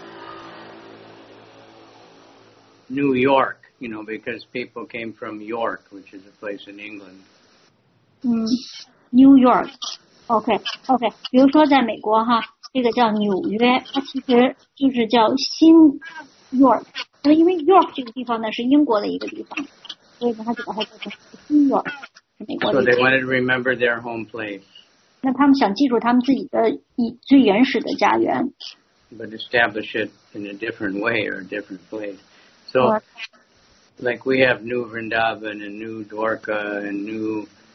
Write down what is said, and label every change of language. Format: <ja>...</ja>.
<zh>所以在美国有很多地方都被称为是新什么什么。New</zh> <en>York, you know, because people came from York, which is a place in England. New York. Okay.</en> <zh>比如说在美国哈，这个叫纽约，它其实就是叫新 York. 因为 York 这个地方呢是英国的一个地方，所以呢，它就把它叫成新 York，美国的。</zh> <en>So they wanted to remember their home place.</en> <zh>那他们想记住他们自己的最原始的家园。</zh> <en>But establish it in a different way or a different place. So, like we have New Vrindavan and New Dwarka and New.</en>